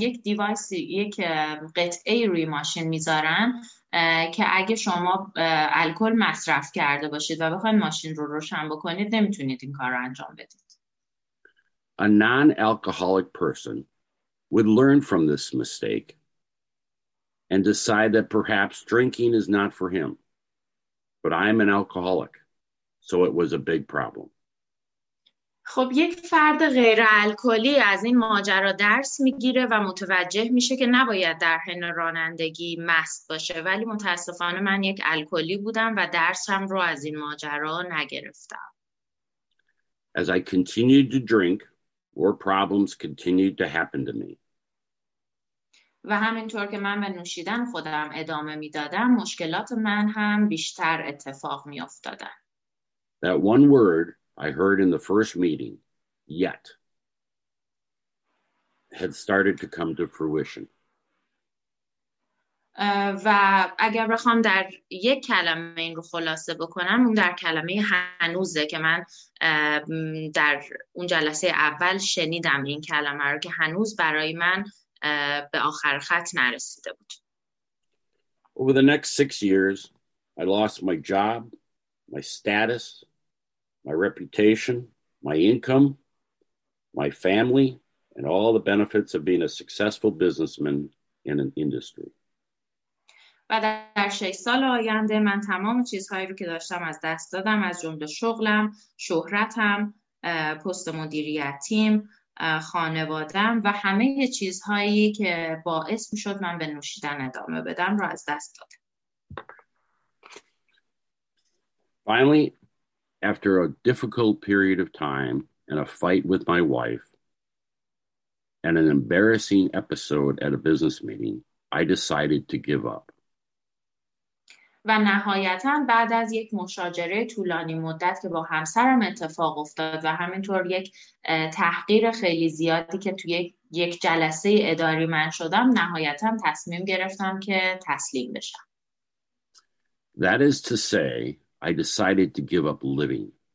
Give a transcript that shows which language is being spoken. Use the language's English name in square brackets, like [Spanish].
[Persian] یک دیوایس، یک قطعه روی ماشین میذارن که اگه شما الکل مصرف کرده باشید و بخواید ماشین رو روشن بکنید نمیتونید این کار رو انجام بدید. [English] A non-alcoholic person would learn from this mistake and decide that perhaps drinking is not for him. But I am an alcoholic, so it was a big problem. [Persian] خب یک فرد غیر الکلی از این ماجرا درس میگیره و متوجه میشه که نباید در حین رانندگی مست باشه، ولی متاسفانه من یک الکلی بودم و درسم رو از این ماجرا نگرفتم. [English] As I continued to drink, more problems continued to happen to me. [Persian] و همینطور که من به نوشیدن خودم ادامه میدادم، مشکلات من هم بیشتر اتفاق می افتادن. [English] That one word I heard in the first meeting, yet, had started to come to fruition. [Persian] و اگر بخوام در یک کلمه این رو خلاصه بکنم، اون در کلمه هنوزه که من در اون جلسه اول شنیدم این کلمه رو که هنوز برای من به آخر خط نرسیده بود. [English] Over the next 6 years, I lost my job, my status, my reputation, my income, my family, and all the benefits of being a successful businessman in an industry. [Persian] و در 6 سال آینده من تمام چیزهایی رو که داشتم از دست دادم، از جمله شغلم، شهرتم، پست مدیریت تیم، خانوادم و همه چیزهایی که باعث میشد من به نوشیدن ادامه بدم رو از دست دادم. [English] Finally, after a difficult period of time and a fight with my wife and an embarrassing episode at a business meeting, I decided to give up. [Persian] و نهایتاً بعد از یک مشاجره طولانی مدت که با همسرم اتفاق افتاد و همینطور یک تحقیر خیلی زیادی که توی یک جلسه اداری من شدم، نهایتاً تصمیم گرفتم که تسلیم بشم. [English] That is to say, I decided to give up living.